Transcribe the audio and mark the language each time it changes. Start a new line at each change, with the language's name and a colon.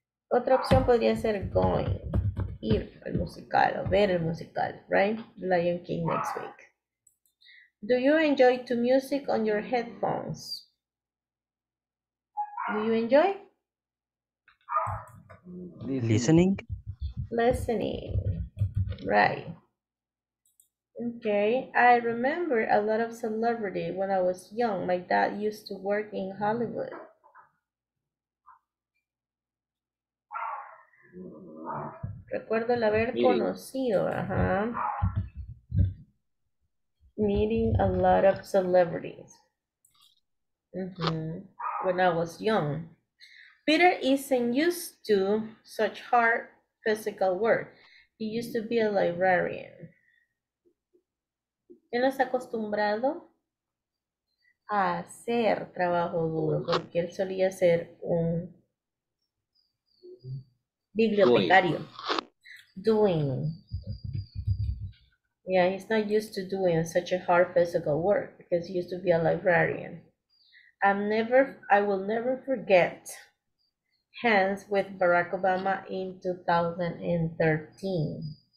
Spanish: Otra opción podría ser
English: going,
Spanish: ir al musical o ver el musical,
English: right? Lion King next week. Do you enjoy to music on your headphones? Do you enjoy? Listening. Listening, right. Okay, I remember a lot of celebrity when I was young. My dad used to work in Hollywood.
Spanish: Recuerdo el haber conocido, ajá.
English: Meeting a lot of celebrities. When I was young. Peter isn't used to such hard physical work. He used to be a librarian.
Spanish: Él está acostumbrado a hacer trabajo duro porque él solía ser un bibliotecario.
English: Doing. Yeah, he's not used to doing such a hard physical work because he used to be a librarian. I will never forget hands with Barack Obama in 2013.